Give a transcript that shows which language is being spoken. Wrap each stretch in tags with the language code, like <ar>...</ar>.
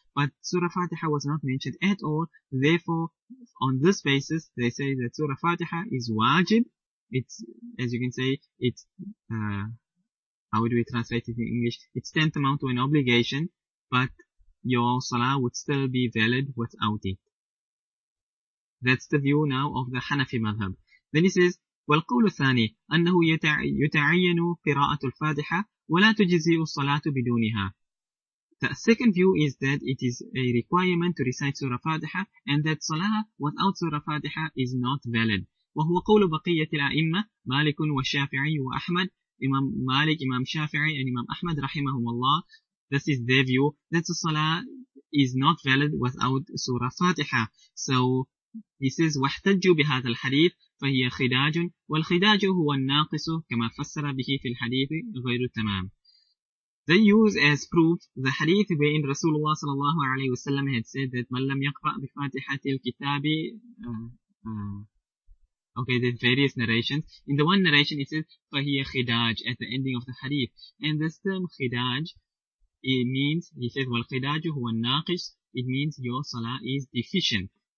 <en>But Surah Fatiha was not mentioned at all. Therefore, on this basis, they say that Surah Fatiha is wajib. It's, as you can say, it's, how would we translate it in English? It's tantamount to an obligation, but your Salah would still be valid without it. That's the view now of the Hanafi madhab. Then he says,</en> <ar>والقول الثاني أنه يتعين قراءة الفاتحة ولا تجزي الصلاة بدونها.</ar> <en>The second view is that it is a requirement to recite Surah Fatiha, and that Salah without Surah Fatiha is not valid.</en> <ar>وهو قول بقية الأئمة مالك والشافعي وأحمد.</ar> <en>Imam Malik, Imam Shafi'i, and Imam Ahmad رحمهم الله. This is their view that the Salah is not valid without Surah Fatiha. So he says</en> <ar>واحتجوا بهذا الحديث فهي خداج والخداج هو الناقص كما فسر به في الحديث غير التمام.</ar> <en>They use as proof the hadith wherein Rasulullah sallallahu alaihi wasallam had said that</en> <ar>من لم يقرأ بفاتحة الكتاب.</ar> <en>Okay, there's various narrations. In the one narration it says</en> <ar>فَهِيَ خِدَاج</ar> <en>at the ending of the hadith. And this term خِدَاج, it means, he says</en> <ar>والخداج هو الناقص,</ar> <en>it means your salah is deficient.</en>